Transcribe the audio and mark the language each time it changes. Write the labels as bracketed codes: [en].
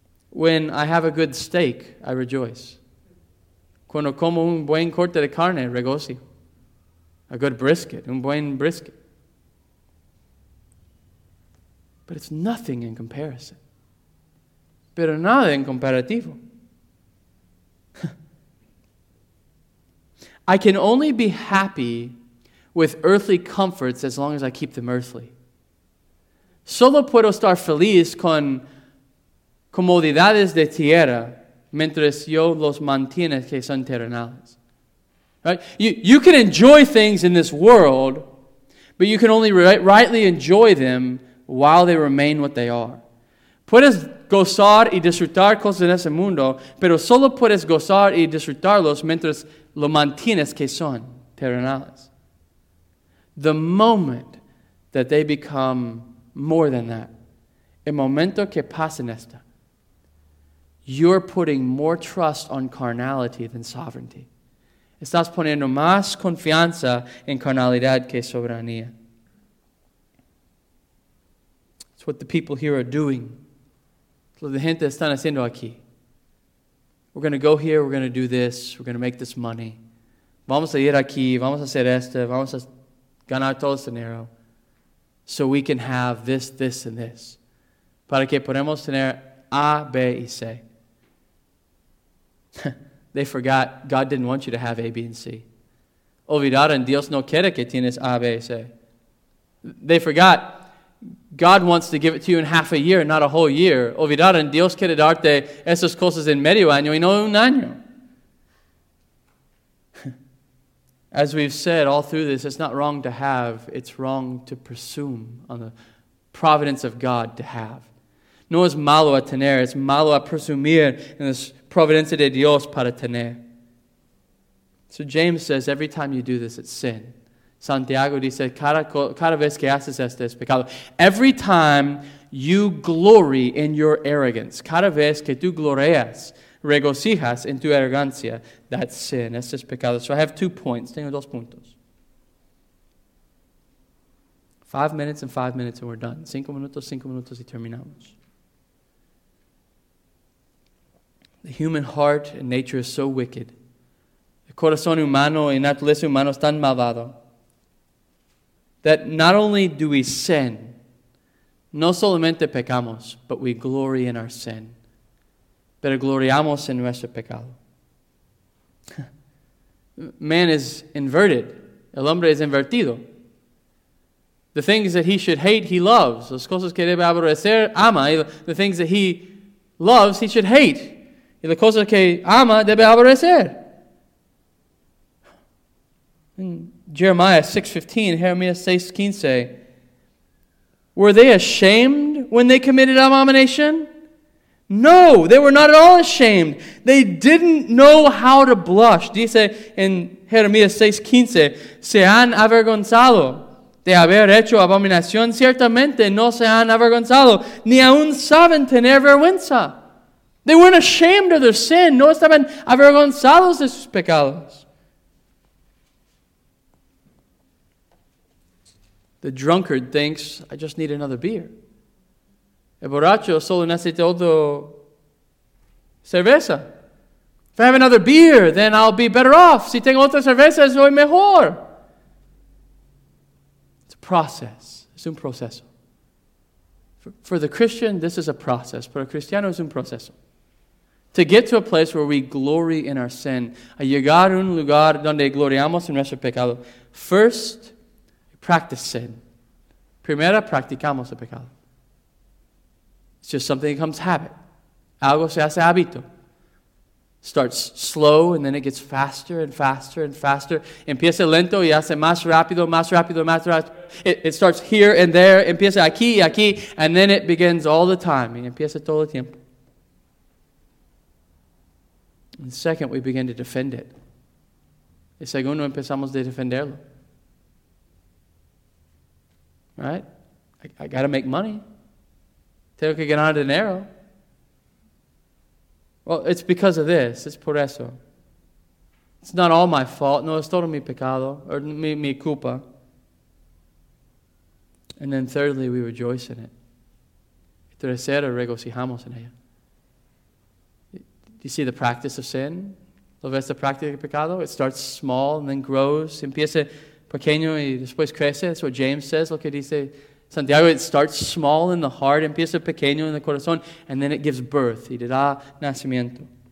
[en] When I have a good steak, I rejoice. [es] Cuando como un buen corte de carne, regocijo. [en] A good brisket, [es] un buen brisket. [en] But it's nothing in comparison. [es] pero nada en comparativo. [en] I can only be happy with earthly comforts as long as I keep them earthly. [es] Solo puedo estar feliz con comodidades de tierra mientras yo los mantiene que son terrenales. [en] Right? You can enjoy things in this world, but you can only rightly enjoy them while they remain what they are. [es] Puedes gozar y disfrutar cosas en ese mundo, pero solo puedes gozar y disfrutarlos mientras lo mantienes que son terrenales. [en] The moment that they become more than that, [es] el momento que pasa esta, [en] you're putting more trust on carnality than sovereignty. [es] Estás poniendo más confianza en carnalidad que soberanía. [en] It's what the people here are doing. It's what the [es] gente están haciendo aquí. [en] We're going to go here, we're going to do this, we're going to make this money. [es] Vamos a ir aquí, vamos a hacer esto, vamos a ganar todo ese dinero. [en] So we can have this, this, and this. [es] Para que podamos tener A, B, y C. [en] They forgot God didn't want you to have A, B, and C. [es] Olvidaron, Dios no quiere que tienes A, B, y C. [en] They forgot God wants to give it to you in half a year, not a whole year. [es] Olvidaron, Dios quiere darte esas cosas en medio año y no un año. [en] As we've said all through this, it's not wrong to have, it's wrong to presume on the providence of God to have. [es] No es malo a tener, es malo a presumir en la providencia de Dios para tener. [en] So James says, every time you do this, it's sin. [es] Santiago dice, cada vez que haces esto es pecado. [en] Every time you glory in your arrogance, [es] cada vez que tú glorias, regocijas en tu arrogancia, [en] that's sin, [es] esto es pecado. [en] So I have 2 points, [es] tengo 2 puntos. [en] 5 minutes and 5 minutes and we're done. [es] 5 minutos, 5 minutos y terminamos. [en] The human heart and nature is so wicked. [es] El corazón humano y naturaleza humana están malvados. [en] That not only do we sin, [es] no solamente pecamos, [en] but we glory in our sin. [es] Pero gloriamos en nuestro pecado. [en] Man is inverted. [es] El hombre es invertido. [en] The things that he should hate, he loves. [es] Las cosas que debe aborrecer, ama. [en] The things that he loves, he should hate. [es] Y las cosas que ama, debe aborrecer. [en] Jeremiah 6:15, Jeremiah 6:15, were they ashamed when they committed abomination? No, they were not at all ashamed. They didn't know how to blush. [es] Dice in Jeremiah 6:15, se han avergonzado de haber hecho abominación. Ciertamente no se han avergonzado, ni aun saben tener vergüenza. [en] They weren't ashamed of their sin. [es] No estaban avergonzados de sus pecados. [en] The drunkard thinks, I just need another beer. [es] El borracho solo necesita otro cerveza. [en] If I have another beer, then I'll be better off. [es] Si tengo otra cerveza, soy mejor. [en] It's a process. [es] Es un proceso. [en] For the Christian, this is a process. [es] Para el cristiano, es un proceso. [en] To get to a place where we glory in our sin. [es] A llegar a un lugar donde gloriamos en nuestro pecado. [en] First, practice sin. [es] Primera, practicamos el pecado. [en] It's just something that becomes habit. [es] Algo se hace hábito. [en] Starts slow and then it gets faster and faster and faster. [es] Empieza lento y hace más rápido, más rápido, más rápido. [en] It starts here and there. [es] Empieza aquí y aquí. [en] And then it begins all the time. [es] Y empieza todo el tiempo. [en] And second, we begin to defend it. [es] Y segundo, empezamos a defenderlo. [en] Right? I got to make money. [es] Tengo que ganar dinero. [en] Well, it's because of this. It's [es] por eso. [en] It's not all my fault. [es] No, es todo mi pecado. Or mi culpa. [en] And then thirdly, we rejoice in it. [es] Y tercero, regocijamos en ella. [en] Do you see the practice of sin? [es] ¿Lo ves la práctica del pecado? [en] It starts small and then grows. [es] Empieza pequeño y después crece. [en] That's what James says. [es] Lo que dice Santiago, it starts small in the heart, empieza pequeño en el corazón, [en] and then it gives birth. [es] Y da nacimiento.